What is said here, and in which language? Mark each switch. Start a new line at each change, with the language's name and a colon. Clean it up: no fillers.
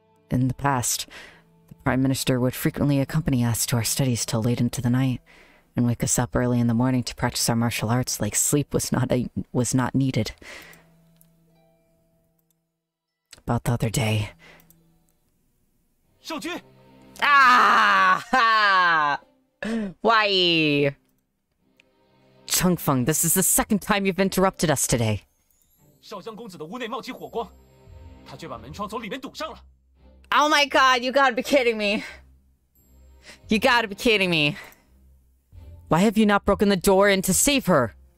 English: In the past, the Prime Minister would frequently accompany us to our studies till late into the night, and wake us up early in the morning to practice our martial arts like sleep was not needed. About the other day... Shoujun! Ah! Ha! Why? Chengfeng, this is the second time you've interrupted us today.
Chinese: 少将公子的屋内冒起火光，他却把门窗从里面堵上了。
English: Oh my god, you gotta be kidding me. You gotta be kidding me. Why have you not broken the door in to save her?